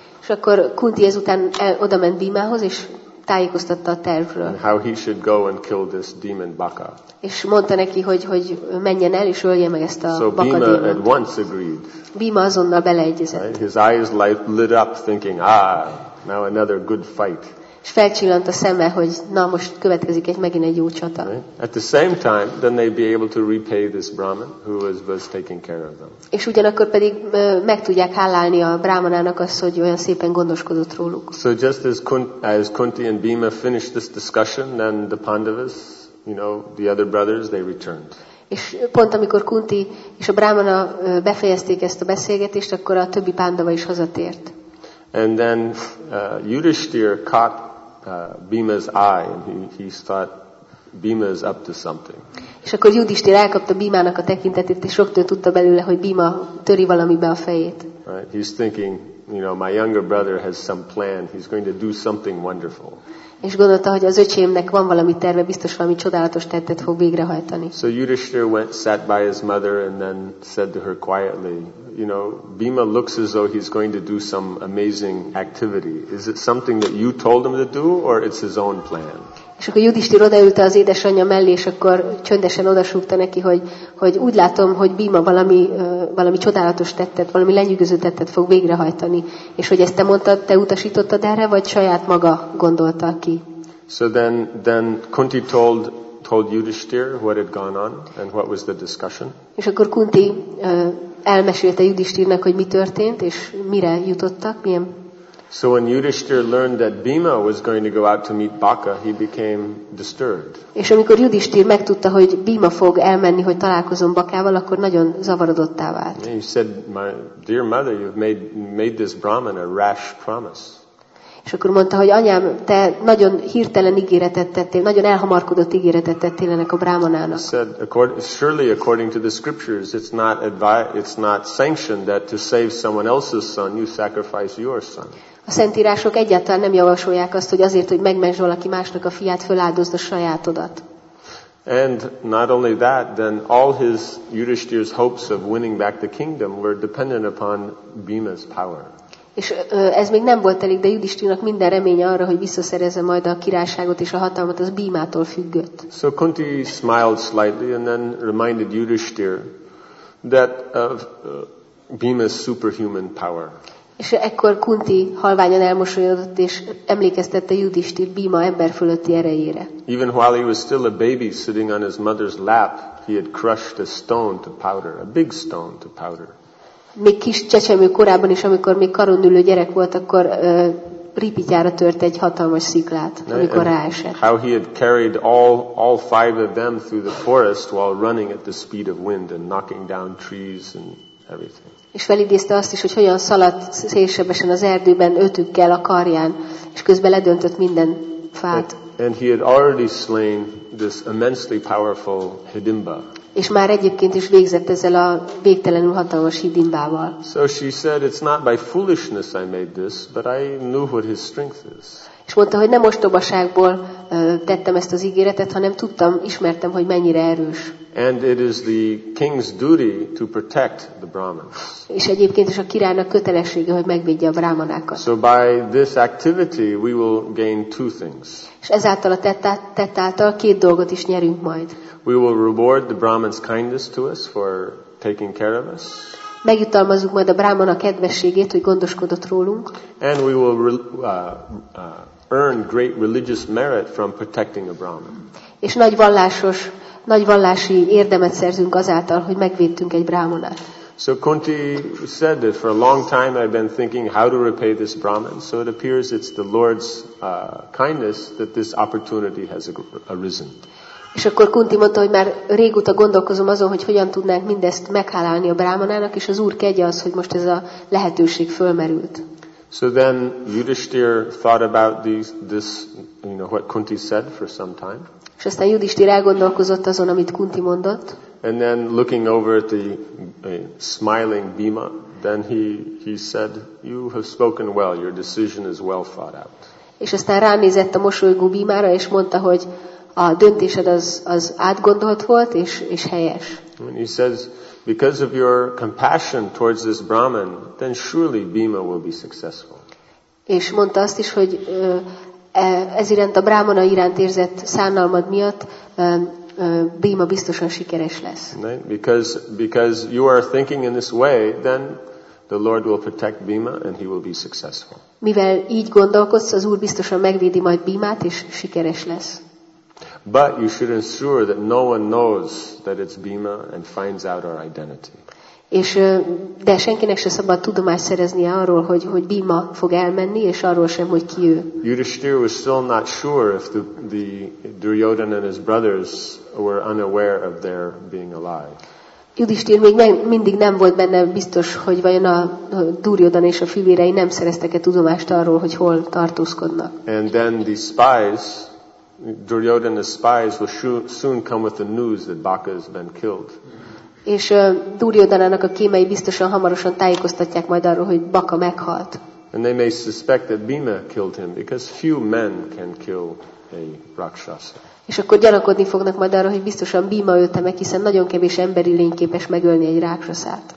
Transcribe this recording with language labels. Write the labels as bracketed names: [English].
[Hungarian] És akkor Kunti ezután odament Bhimához, és tájékoztatta a tervről. [English] And how he should go and kill this demon Baka. [Hungarian] És mondta neki, hogy menjen el, és ölje meg ezt a [English] so Baka Bhima [Hungarian] démont. [English] At once agreed. [Hungarian] Bhima azonnal beleegyezett. [English] Right? His eyes lit up thinking, now another good fight. [Hungarian] És felcsillant a szeme, hogy na most következik egy megint egy jó csata. [English] Right? At the same time, then they'd be able to repay this Brahmin, who was taking care of them. [Hungarian] És ugyanakkor pedig meg tudják hálálni a Brahmanának azt, hogy olyan szépen gondoskodott róluk. [English] So just as Kunti and Bhima finished this discussion, then the Pandavas, you know, the other brothers, they returned. [Hungarian] És pont amikor Kunti és a Brahmana befejezték ezt a beszélgetést, akkor a többi Pandava is hazatért. [English] And then Yudhishthir caught Bhima's eye, and he thought Bhima is up to something. [Hungarian] És akkor Yudhishthir elkapta Bhimának a tekintetét, és rögtön tudta belőle, hogy Bhima töri valamibe a fejét. [English] Right, he's thinking, you know, my younger brother has some plan. He's going to do something wonderful. [Hungarian] És gondolta, hogy az öcsémnek van valami terve, biztos valami csodálatos tettet fog végrehajtani. [English] So Yudhishthir went, sat by his mother, and then said to her quietly, you know, Bhima looks as though he's going to do some amazing activity. Is it something that you told him to do, or it's his own plan? [Hungarian] És akkor Yudhisthira odaült az édesanyja mellé, és akkor csöndesen odasúgta neki, hogy úgy látom, hogy Bhima valami csodálatos tettet, valami lenyűgöző tettet fog végrehajtani. És hogy ezt te mondtad, te utasítottad erre, vagy saját maga gondolta ki? [English] So then Kunti told Yudhisthir what had gone on and what was the discussion. [Hungarian] És akkor Kunti elmesélte Yudhisthirnek, hogy mi történt és mire jutottak, milyen. [English] So when Yudhisthir learned that Bhima was going to go out to meet Baka, he became disturbed. [Hungarian] És amikor Yudhisthir megtudta, hogy Bhima fog elmenni, hogy találkozom Bakával, akkor nagyon zavarodottá vált. [English] He said, "My dear mother, you've made this Brahmin a rash promise." [Hungarian] És akkor mondta, hogy anyám, te nagyon hirtelen ígéretet tettél, nagyon elhamarkodott ígéretet tettél ennek a brámanának. [English] Said, surely according to the scriptures, it's not sanctioned that to save someone else's son, you sacrifice your son. [Hungarian] A szentírások egyáltalán nem javasolják azt, hogy azért, hogy megmentsd valaki másnak a fiát, feláldozd a sajátodat. [English] And not only that, then all his Yudhisthira's hopes of winning back the kingdom were dependent upon Bhima's power. [Hungarian] És ez még nem volt elég, de Yudhisthirának minden reménye arra, hogy visszaszerezze majd a királyságot és a hatalmat, az Bhimától függött. [English] So Kunti smiled slightly and then reminded Yudhisthir that of Bhima's superhuman power. [Hungarian] És ekkor Kunti halványan elmosolyodott és emlékeztette Yudhisthir Bhima emberfölötti erejére. [English] Even while he was still a baby sitting on his mother's lap, he had crushed a stone to powder, a big stone to powder. [Hungarian] Még kis csecsemő korában is, amikor még karonülő gyerek volt, akkor ripityára tört egy hatalmas sziklát, amikor ráesett. [English] How he had carried all five of them through the forest while running at the speed of wind and knocking down trees and everything. [Hungarian] És felidézte azt is, hogy hogyan szaladt szélsebesen az erdőben ötükkel a karján, és közben ledöntött minden fát. [English] And he had already slain this immensely powerful Hidimba. [Hungarian] És már egyébként is végzett ezzel a végtelenül hatalmas Hidimbával. [English] So she said, it's not by foolishness I made this, but I knew what his strength is. [Hungarian] És mondta, hogy nem ostobaságból tettem ezt az ígéretet, hanem tudtam, ismertem, hogy mennyire erős. [English] And it is the king's duty to protect the Brahmins. [Hungarian] És egyébként is a királynak kötelessége, hogy megvédje a brámanákat. [English] So by this activity we will gain two things. [Hungarian] És ezáltal a tett által két dolgot is nyerünk majd. [English] We will reward the Brahmin's kindness to us for taking care of us. [Hungarian] Megjutalmazunk majd a brámana kedvességét, hogy gondoskodott rólunk. [English] And we will earn great religious merit from protecting a Brahmin. [Hungarian] És nagy vallási érdemet szerzünk azáltal, hogy megvédtünk egy brámanát. [English] So Kunti said that for a long time I've been thinking how to repay this Brahmin. So it appears it's the Lord's kindness that this opportunity has arisen. [Hungarian] És akkor Kunti mondta, hogy már régóta gondolkozom azon, hogy hogyan tudnánk mindezt meghálálni a brámanának, és az Úr kegye az, hogy most ez a lehetőség fölmerült. [English] So then Yudhisthir thought about this, you know, what Kunti said for some time. [Hungarian] És aztán Yudhisthir elgondolkozott azon, amit Kunti mondott. [English] And then looking over at the smiling Bhima, then he said, "You have spoken well. Your decision is well thought out." [Hungarian] És aztán ránézett a mosolygó Bhimára, és mondta, hogy a döntésed az átgondolt volt és helyes. [English] And he says, "Because of your compassion towards this Brahmin, then surely Bhima will be successful." [Hungarian] És mondta azt is, hogy ez iránt a brámana iránt érzett szánalmad miatt Bhima biztosan sikeres lesz. [English] Right? Because you are thinking in this way, then the Lord will protect Bhima and he will be successful. [Hungarian] Mivel így gondolkodsz, az Úr biztosan megvédi majd Bhimát és sikeres lesz. [English] But you should ensure that no one knows that it's Bhima and finds out our identity. [Hungarian] És de senkinek se szabad tudomást szereznie arról, hogy Bhima fog elmenni, és arról sem, hogy ki ő. [English] Yudhisthira was still not sure if the Duryodhan and his brothers were unaware of their being alive. [Hungarian] Yudhisthir még mindig nem volt benne biztos, hogy vajon a Duryodhan és a fivérei nem szereztek-e tudomást arról, hogy hol tartózkodnak. [English] And then the spies, Duryodhan's spies will soon come with the news that Baka has been killed. [Hungarian] És Duryodhanának a kémei biztosan hamarosan tájékoztatják majd arról, hogy Baka meghalt. [English] And they may suspect that Bhima killed him, because few men can kill a rakshasa. [Hungarian] És akkor gyanakodni fognak majd arra, hogy biztosan Bhima ölte meg, hiszen nagyon kevés emberi lény képes megölni egy rákszaszát.